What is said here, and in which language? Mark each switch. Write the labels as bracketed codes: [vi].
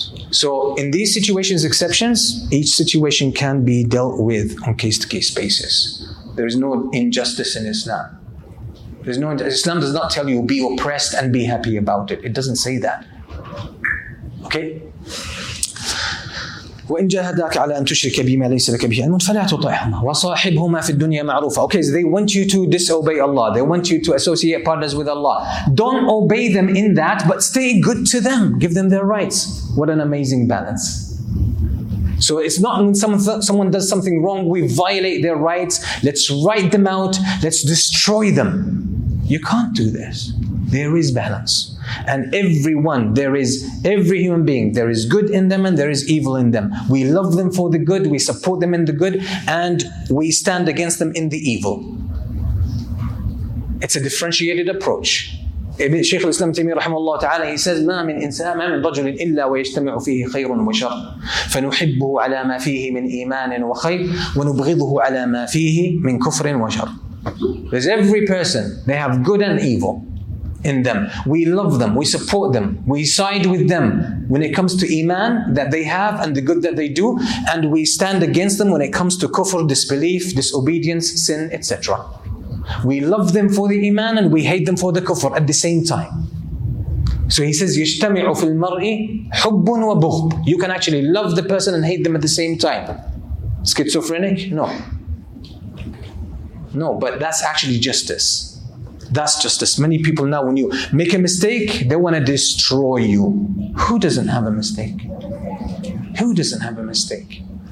[en] So in these situations, exceptions, each situation can be dealt with on case-to-case basis. There is no injustice in Islam. There's no Islam does not tell you be oppressed and be happy about it. It doesn't say that. Okay? [ar] وإن جاهداك على أن تشرك بما ليس لك به علم فلا تطعهما وصاحبهما في الدنيا معروفا. [en] Okay, so they want you to disobey Allah. They want you to associate partners with Allah. Don't obey them in that, but stay good to them. Give them their rights. What an amazing balance. So it's not when someone does something wrong, we violate their rights, let's write them out, let's destroy them. You can't do this. There is balance. And everyone, there is every human being, there is good in them and there is evil in them. We love them for the good, we support them in the good, and we stand against them in the evil. It's a differentiated approach. Ibn Shaykh al-Islam Taymiyyah rahimahullah ta'ala, he says, [ar] ما من إنسان ما من رجل إلا ويجتمع فيه خير وشر فنحبه على ما فيه من إيمان وخير ونبغضه على ما فيه من كفر وشر. [en] There's every person, they have good and evil in them. We love them, we support them, we side with them when it comes to iman that they have and the good that they do, and we stand against them when it comes to kufr, disbelief, disobedience, sin, etc. We love them for the iman and we hate them for the kufr at the same time. So he says, [ar] يَجْتَمِعُ فِي الْمَرْءِ حُبٌّ وَبُغْضٌ. [en] You can actually love the person and hate them at the same time. Schizophrenic? No. No, but that's actually justice. That's justice. Many people now, when you make a mistake, they want to destroy you. Who doesn't have a mistake? Who doesn't have a mistake?